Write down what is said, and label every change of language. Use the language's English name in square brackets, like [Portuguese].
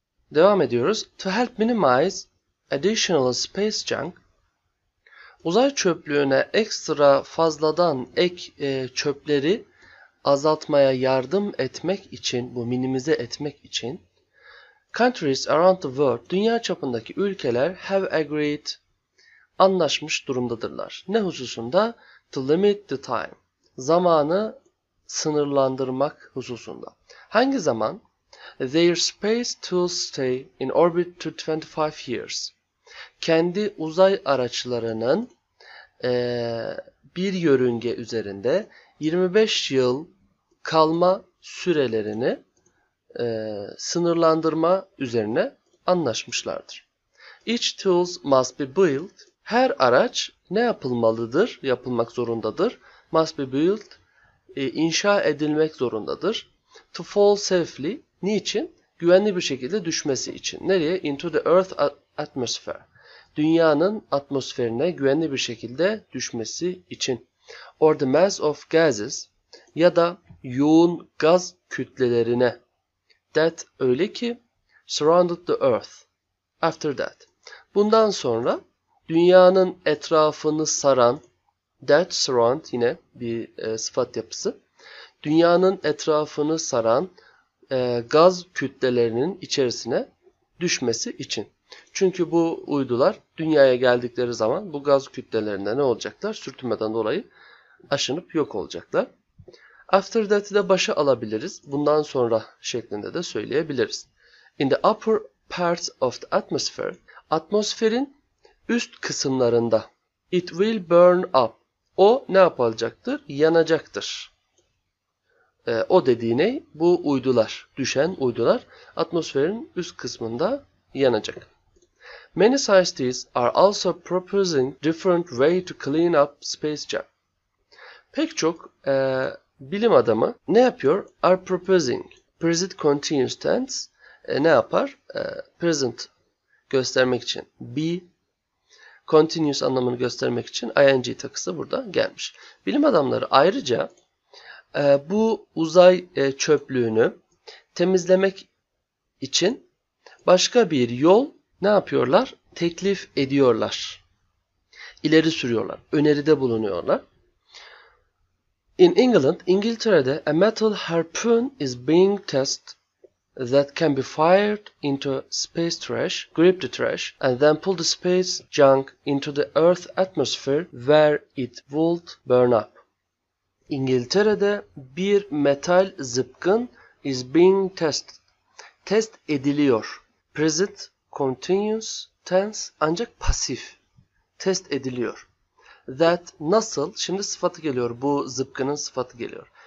[Turkish] Devam ediyoruz. [English] To help minimize additional space junk, [Turkish] uzay çöplüğüne ekstra fazladan çöpleri azaltmaya yardım etmek için, bu minimize etmek için [English] Countries around the world, [Turkish] dünya çapındaki ülkeler [English] have agreed, [Turkish] anlaşmış durumdadırlar. Ne hususunda? [English] To limit the time, [Turkish] zamanı sınırlandırmak hususunda. Hangi zaman? [English] Their space to stay in orbit to 25 years. [Turkish] Kendi uzay araçlarının bir yörünge üzerinde 25 yıl kalma sürelerini sınırlandırma üzerine anlaşmışlardır. [English] Each tools must be built. [Turkish] Her araç ne yapılmalıdır? Yapılmak zorundadır. [English] Must be built. [Turkish] İnşa edilmek zorundadır. [English] To fall safely. [Turkish] Niçin? Güvenli bir şekilde düşmesi için. Nereye? [English] Into the earth atmosphere. [Turkish] Dünyanın atmosferine güvenli bir şekilde düşmesi için. [English] Or the mass of gases. [Turkish] Ya da yoğun gaz kütlelerine. [English] That [Turkish] öyle ki [English] surrounded the earth after that. [Turkish] Bundan sonra dünyanın etrafını saran, [English] that surround [Turkish] yine bir sıfat yapısı. Dünyanın etrafını saran gaz kütlelerinin içerisine düşmesi için. Çünkü bu uydular dünyaya geldikleri zaman bu gaz kütlelerinde ne olacaklar? Sürtünmeden dolayı aşınıp yok olacaklar. After that'i de başa alabiliriz. Bundan sonra şeklinde de söyleyebiliriz. [English] In the upper parts of the atmosphere, [Turkish] atmosferin üst kısımlarında [English] it will burn up. [Turkish] O ne yapacaktır? Yanacaktır. O dediği ne? Bu uydular, düşen uydular atmosferin üst kısmında yanacak. [English] Many scientists are also proposing different way to clean up space junk. [Turkish] Pek çok bilim adamı ne yapıyor? [English] Are proposing. [Turkish] Present continuous tense ne yapar? Present göstermek için. Be continuous anlamını göstermek için ing takısı burada gelmiş. Bilim adamları ayrıca bu uzay çöplüğünü temizlemek için başka bir yol ne yapıyorlar? Teklif ediyorlar. İleri sürüyorlar. Öneride bulunuyorlar. [English] In England, İngiltere'de a metal harpoon is being tested that can be fired into space trash, grip the trash, and then pull the space junk into the Earth atmosphere where it would burn up. [Turkish] İngiltere'de bir metal zıpkın [English] is being tested. [Turkish] Test ediliyor. Present, continuous, tense, ancak pasif. Test ediliyor. That nasıl, şimdi sıfatı geliyor, bu zıpkının sıfatı geliyor.